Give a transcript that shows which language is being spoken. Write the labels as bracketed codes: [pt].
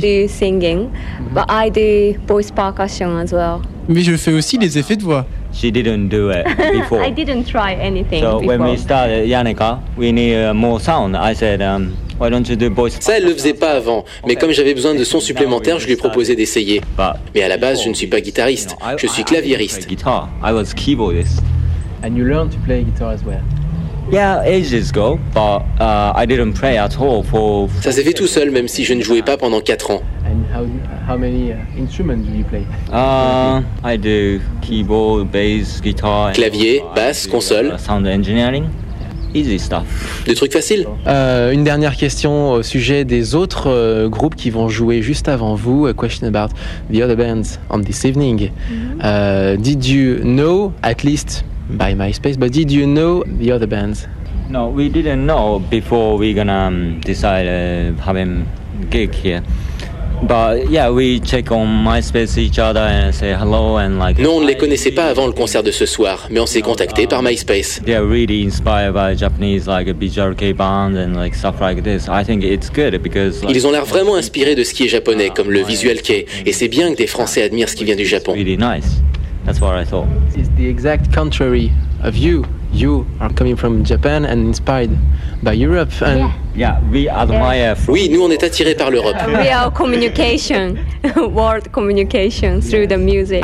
[en] Do singing, but I do voice percussion as well. [fr] Mais je fais aussi des effets de voix. [en] She didn't do it before. I didn't try anything so before. So when we started, Yannicka, we need more sound. I said, why don't you do voice? [fr] Ça, elle le faisait pas avant. Okay. Mais comme j'avais besoin de son supplémentaire, je lui proposais d'essayer. Mais à la base, je ne suis pas guitariste. Je suis claviériste. [en] Guitar. I was keyboardist. And you learned to play guitar as well. Yeah, ages ago, but I didn't play at all for. [fr] Ça s'est fait tout seul, même si je ne jouais pas pendant 4 ans. [en] And how many instruments do you play? I do keyboard, bass, guitar. [fr] Clavier, basse, console. [en] Sound engineering. Easy stuff. [fr] Des trucs faciles. Une dernière question au sujet des autres groupes qui vont jouer juste avant vous. [en] A question about the other bands on this evening. Mm-hmm. Did you know at least? By MySpace, but did you know the other bands? No, we didn't know before we gonna decide having gig here. But yeah, we check on MySpace each other and say hello and like. [fr] Non, on ne les connaissait pas avant le concert de ce soir, mais on s'est contacté par MySpace. [en] They are really inspired by Japanese like a BJRK band and like stuff like this. I think it's good because. Like, [fr] ils ont l'air vraiment inspirés de ce qui est japonais, comme le visual kei, et c'est bien que des Français admirent ce qui vient du Japon. [en] Really nice. That's what I thought. It's the exact contrary of you. You are coming from Japan and inspired by Europe. And yeah, we admire. Yeah. [fr] Oui, nous on est attirés par l'Europe. [en] We are communication, world communication through the music.